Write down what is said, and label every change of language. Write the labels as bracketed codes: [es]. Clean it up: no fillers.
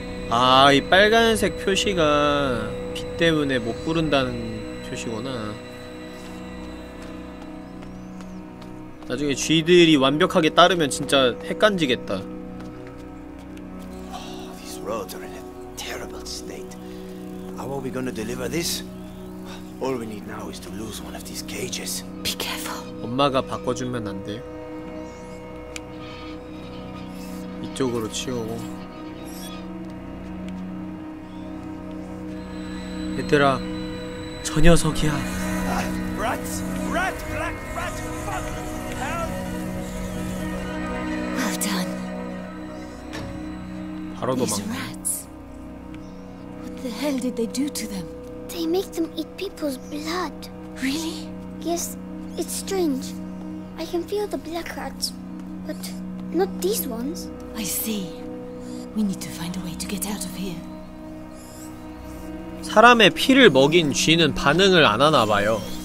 [ko] 아, 이 빨간색 표시가 빛 때문에 못 부른다는 표시구나. 나중에 쥐들이 완벽하게 따르면 진짜 헷간지겠다. [en] Oh, these roads are in a terrible state. How are we gonna deliver this? All we need now is to lose one of these cages. Be careful. [ko] 엄마가 바꿔주면 안 돼? 이쪽으로 치우고. 얘들아, 저 녀석이야. [en] Rats! Rat! Black rat! Fuck! [ko] 바로 도망. [en] What the hell did they do to them? They make them eat people's blood. Really? Yes. It's strange. I can feel the black rats, but not these ones. I see. We need to find a way to get out of here. [ko] 사람의 피를 먹인 쥐는 반응을 안 하나 봐요.